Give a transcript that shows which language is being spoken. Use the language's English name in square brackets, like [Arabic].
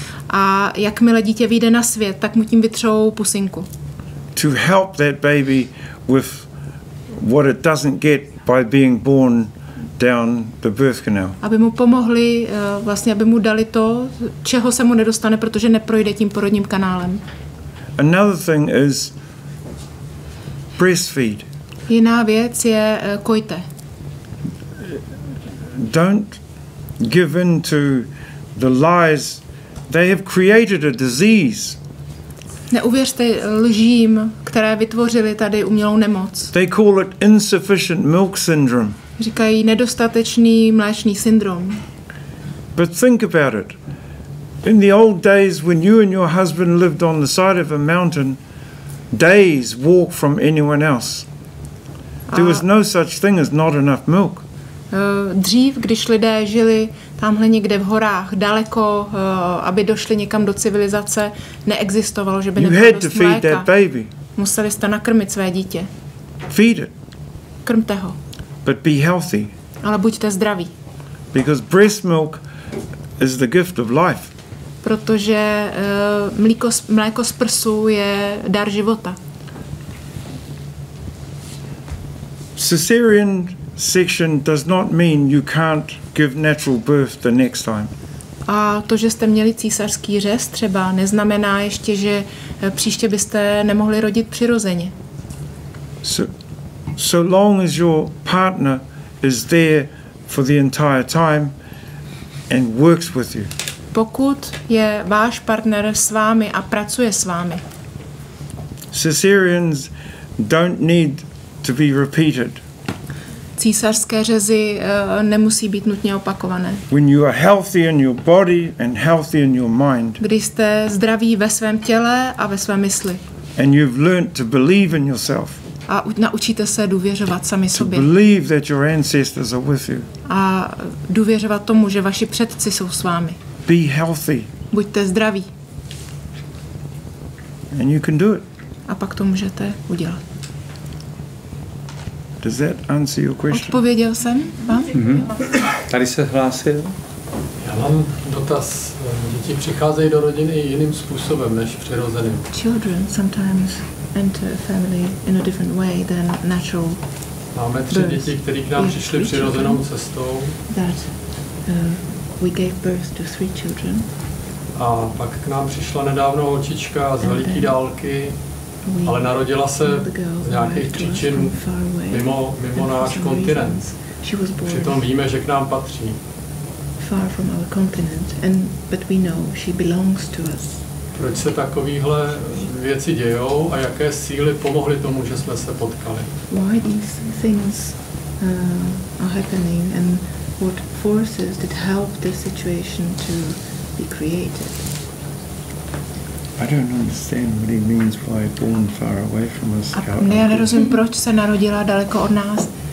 [Czech] A jakmile dítě vyjde na svět, tak mu tím vytřou pusinku. [English] To help that baby with what it doesn't get by being born down the birth canal. [Czech] Aby mu pomohli, vlastně aby mu dali to, čeho se mu nedostane, protože neprojde tím porodním kanálem. [English] Another thing is breastfeed. [Czech] Jiná věc je kojte. [English] Don't give in to the lies. They have created a disease. [Czech] Neuvěřte lžím, které vytvořili tady umělou nemoc. [English] They call it insufficient milk syndrome. [Czech] Říkají nedostatečný mléčný syndrom. [English] But think about it. In the old days when you and your husband lived on the side of a mountain, days walk from anyone else. There was no such thing as not enough milk. [Czech] Dřív, když lidé žili tamhle někde v horách, daleko, aby došli někam do civilizace, neexistovalo, že by nebylo dost mléka. Museli jste nakrmit své dítě. [English] Feed it. [Czech] Krmte ho. [English] But be healthy. [Czech] Ale buďte zdraví. [English] Because breast milk is the gift of life. [Czech] Protože mléko z prsu je dar života. [English] Cesarean section does not mean you can't give natural birth the next time. [Czech] A to, že jste měli císařský řez, třeba neznamená ještě, že příště byste nemohli rodit přirozeně. [English] So long as your partner is there for the entire time and works with you. [Czech] Pokud je váš partner s vámi a pracuje s vámi. [English] Cesareans don't need to be repeated. [Czech] Císařské řezy nemusí být nutně opakované. [English] When you are healthy in your body and healthy in your mind. [Czech] Když jste zdraví ve svém těle a ve své mysli. [English] And you've learned to believe in yourself. [Czech] A naučíte se důvěřovat sami sobě. [English] To believe that your ancestors are with you. [Czech] A důvěřovat tomu, že vaši předci jsou s vámi. [English] Be healthy. [Czech] Buďte zdraví. [English] And you can do it. [Czech] A pak to můžete udělat. [English] Does that answer your question? [Czech] Odpověděl jsem vám? Mm-hmm. Tady se hlásil. Já mám dotaz. Děti přicházejí do rodiny jiným způsobem než přirozeným. [English] Children sometimes enter family in a different way than natural. [Czech] Máme tři [English] birth. [Czech] Děti, které k nám přišly přirozenou cestou. [English] That we gave birth to three children. [Czech] A pak k nám přišla nedávno holčička z veliké dálky. Ale narodila se z nějakých příčin mimo náš kontinent. Přitom víme, že k nám patří. [English] far from our continent, and but we know she belongs to us. [Czech] Proč se takovéhle věci dějou a jaké síly pomohly tomu, že jsme se potkali? [English] Why these things are happening and what forces did help the situation to be created? I don't understand what he means by born far away from us. [Czech] Já nerozumím, proč se narodila daleko od nás.